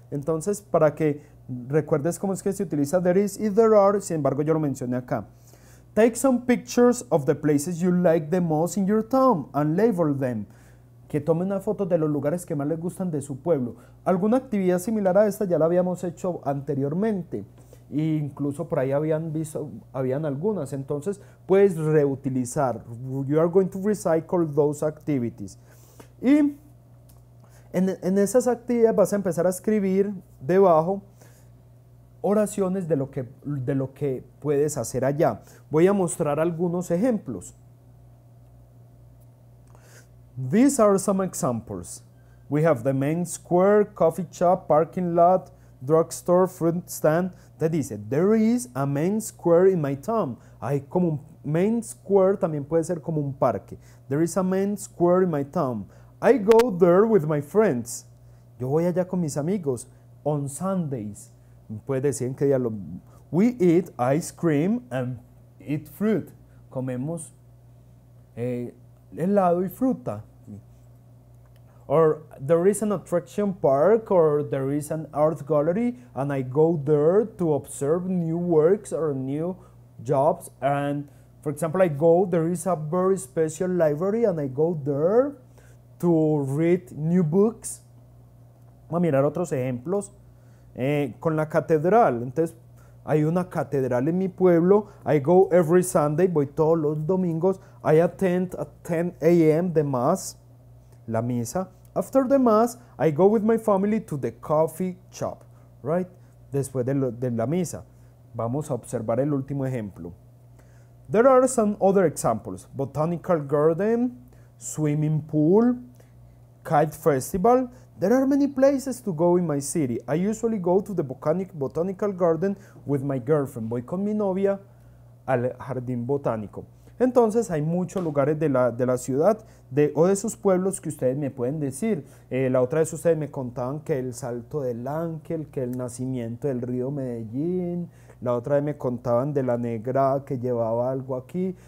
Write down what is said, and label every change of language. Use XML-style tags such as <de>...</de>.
<es>Entonces, para que recuerdes cómo es que se utiliza there is y there are, sin embargo, yo lo mencioné acá.</es> <en>Take some pictures of the places you like the most in your town and label them.</en> <es>Que tome una foto de los lugares que más le gustan de su pueblo. Alguna actividad similar a esta ya la habíamos hecho anteriormente. E incluso por ahí habían visto, habían algunas. Entonces, puedes reutilizar.</es> <en>You are going to recycle those activities.</en> <es>Y en esas actividades vas a empezar a escribir debajo oraciones de lo que puedes hacer allá. Voy a mostrar algunos ejemplos.</es> <en>These are some examples. We have the main square, coffee shop, parking lot, drugstore, fruit stand.</en> <es>Te dice,</es> <en>there is a main square in my town.</en> <es>Hay como un main square, también puede ser como un parque.</es> <en>There is a main square in my town. I go there with my friends.</en> <es>Yo voy allá con mis amigos</es> <en>on Sundays.</en> <es>Puede decir en qué día lo...</es> <en>We eat ice cream and eat fruit.</en> <es>Comemos helado y fruta.</es> <en>Or there is an attraction park or there is an art gallery and I go there to observe new works or new jobs. And for example, I go, there is a very special library and I go there to read new books.</en> <es>Vamos a mirar otros ejemplos. Con la catedral, entonces hay una catedral en mi pueblo.</es> <en>I go every Sunday,</en> <es>voy todos los domingos.</es> <en>I attend at 10 a.m. the mass,</en> <es>la misa.</es> <en>After the mass, I go with my family to the coffee shop, right?</en> <es>Después de la misa. Vamos a observar el último ejemplo.</es> <en>There are some other examples. Botanical garden, swimming pool, kite festival. There are many places to go in my city. I usually go to the botanical garden with my girlfriend.</en> <es>Voy con mi novia al jardín botánico. Entonces, hay muchos lugares de la ciudad o de sus pueblos que ustedes me pueden decir. La otra vez ustedes me contaban que el Salto del Ángel, que el nacimiento del río Medellín. La otra vez me contaban de la negra que llevaba algo aquí.</es>